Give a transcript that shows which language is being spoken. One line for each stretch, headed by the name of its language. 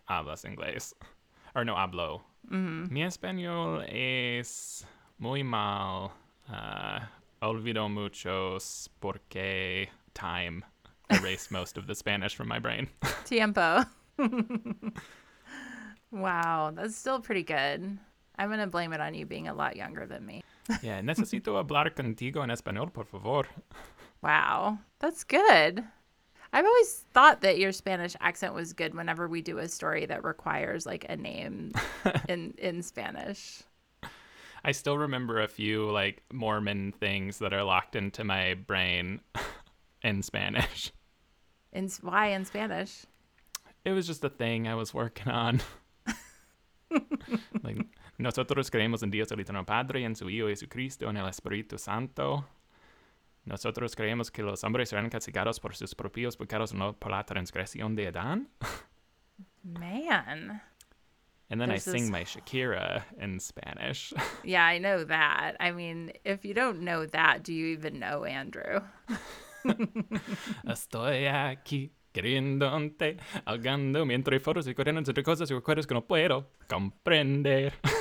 Spanish: Hablas inglés.
English: Or
Spanish: no hablo. Mi español es muy mal. Olvido muchos porque
English: time. Erase most of the Spanish from my brain.
Spanish: Tiempo.
English: Wow, that's still pretty good. I'm going to blame it on you being a lot younger than me. Yeah,
Spanish: necesito hablar contigo en español, por favor.
English: Wow, that's good. I've always thought that your Spanish accent was good whenever we do a story that requires like a name in Spanish. I still remember a few like Mormon things that are locked into my brain. In Spanish. Why in Spanish? It was just a thing I was working on. Like,
Spanish: nosotros creemos en Dios el Eterno Padre, en su Hijo Jesucristo, en el Espíritu Santo. Nosotros creemos que los hombres serán castigados por sus propios pecados, no por la transgresión de Adán.
English: Man. And then I sing my Shakira in Spanish. Yeah, I know that. I mean, if you don't know that, do you even know Andrew?
Spanish: Estoy aquí queriéndote, ahogando mientras fotos y corriendo entre cosas y recuerdos que no puedo comprender.